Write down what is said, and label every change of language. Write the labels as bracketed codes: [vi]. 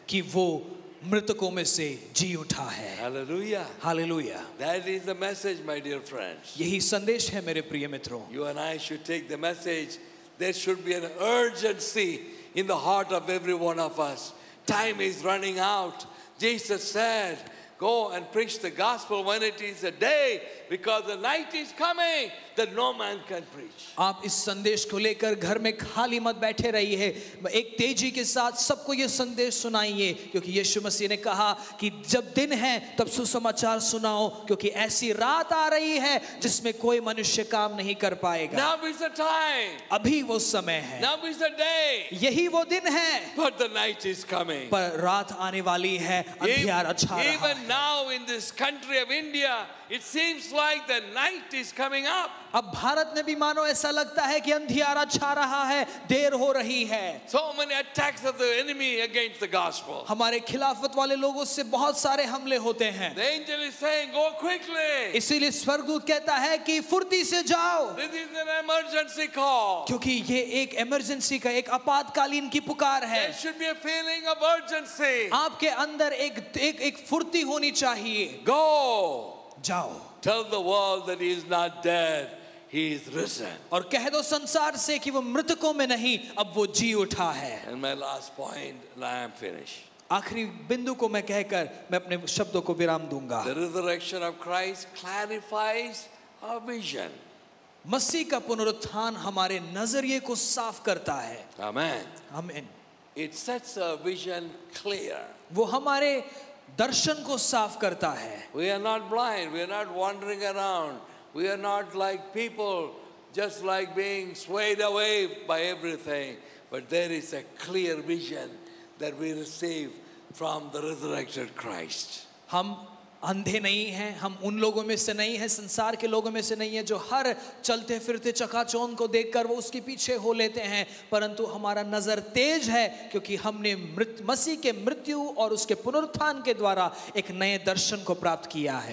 [hi] कि वो मृतकों में से जी उठा है. Hallelujah. Hallelujah. [en] That is the message, my dear friends. [hi] यही संदेश है मेरे प्रिय मित्रों. [en] You and I should take the message. There should be an urgency in the heart of every one of us. Time is running out. Jesus said, "Go and preach the gospel when it is a day, because the night is coming that no man can preach." [hi] आप इस संदेश को लेकर घर में खाली मत बैठे रही है. एक तेजी के साथ सबको ये संदेश सुनाइए, क्योंकि यीशु मसीह ने कहा कि जब दिन है तब सुसमाचार सुनाओ, क्योंकि ऐसी रात आ रही है जिसमें कोई मनुष्य काम नहीं कर पाएगा. [en] Now is the time. [hi] अभी वो समय है. [en] Now is the day. [hi] यही वो दिन है. [en] But the night is coming. [hi] पर रात आने वाली है. अंधियारा छा रहा है. [en] Even now in this country of India, it seems like the night is coming up. [hi] अब भारत में भी मानो ऐसा लगता है कि अंधियारा छा रहा है, देर हो रही है. [en] So many attacks of the enemy against the gospel. [hi] हमारे खिलाफत वाले लोगों से बहुत सारे हमले होते हैं. [en] The angel is saying, "Go quickly." [hi] इसीलिए स्वर्गदूत कहता है कि फुर्ती से जाओ. [en] This is an emergency call. [hi] क्योंकि ये एक इमरजेंसी का एक आपातकालीन की पुकार है. [en] There should be a feeling of urgency. [hi] आपके अंदर एक फुर्ती होनी चाहिए. [en] Go. [hi] जाओ. [en] Tell the world that he is not dead, he is risen. [hi] और कह दो संसार से कि वो मृतकों में नहीं, अब वो जी उठा है. [en] And my last point, and I am finished. [hi] आखिरी बिंदु को मैं कहकर मैं अपने शब्दों को विराम दूंगा. [en] The resurrection of Christ clarifies our vision. [hi] मसीह का पुनरुत्थान हमारे नजरिए को साफ करता है. Amen. Amen. [en] It sets our vision clear. [hi] वो हमारे दर्शन को साफ करता है. [en] We are not blind. We are not wandering around. We are not like people, just like being swayed away by everything. But there is a clear vision that we receive from the resurrected Christ. [hi] हम अंधे नहीं है, हम उन लोगों में से नहीं है, संसार के लोगों में से नहीं है जो हर चलते फिरते चकाचौंध को देखकर वो उसके पीछे हो लेते हैं, परंतु हमारा नजर तेज है क्योंकि हमने मसीह के मृत्यु और उसके पुनरुत्थान के द्वारा एक नए दर्शन को प्राप्त किया है.